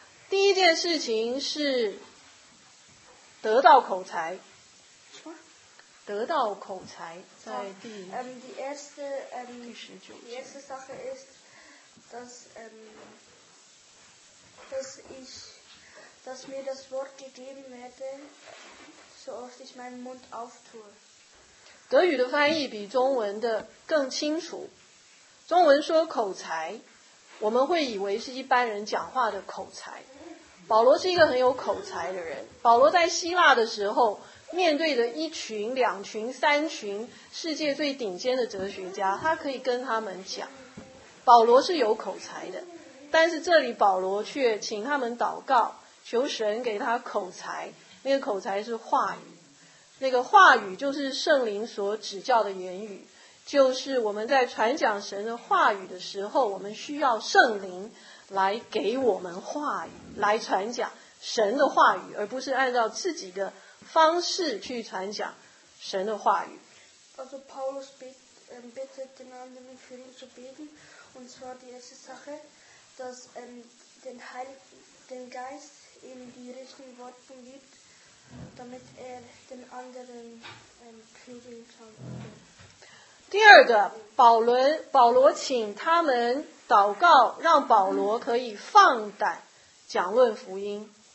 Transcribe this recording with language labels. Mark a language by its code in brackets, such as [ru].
[zh] 第一件事情是得到口才。得到口才在第。 [de] Die erste, die erste Sache ist, dass mir das Wort gegeben werde, so oft ich meinen Mund auftue. [zh] 德语的翻译比中文的更清楚。中文说口才，我们会以为是一般人讲话的口才。保罗是一个很有口才的人。保罗在希腊的时候，面对着一群、两群、三群世界最顶尖的哲学家，他可以跟他们讲。保罗是有口才的，但是这里保罗却请他们祷告，求神给他口才，那个口才是话语，那个话语就是圣灵所指教的言语，就是我们在传讲神的话语的时候，我们需要圣灵来给我们话语，来传讲神的话语，而不是按照自己的方式去传讲神的话语。 [de] Also Paulus bittet den anderen für ihn zu beten, und zwar die erste Sache, dass den Geist ihm die richtigen Worte gibt, damit den anderen kriegen kann. [zh] 第二个，保罗请他们祷告，让保罗可以放胆讲论福音。